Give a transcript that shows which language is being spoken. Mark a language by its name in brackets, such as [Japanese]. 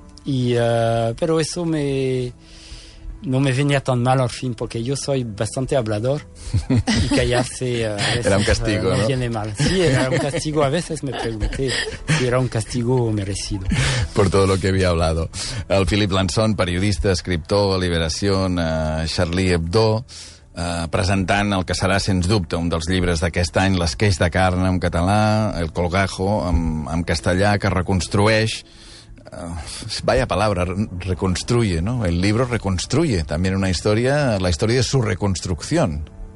[Spanish] Pero eso no me venía tan mal al fin, porque yo soy bastante hablador y callarse era un castigo, me ¿no? viene mal. Sí, era un castigo. A veces me pregunté si era un castigo merecido. Por todo lo que había hablado. [Catalan] El Philip Lanzón, periodista, escriptor, Liberación, Charlie Hebdo, presentant el que serà, sens dubte, un dels llibres d'aquest any, L'esqueix de carn, en català, El colgajo, en castellà, que reconstrueix... [Spanish] vaya palabra, reconstruye, ¿no? El libro reconstruye también una historia, la historia de su reconstrucción.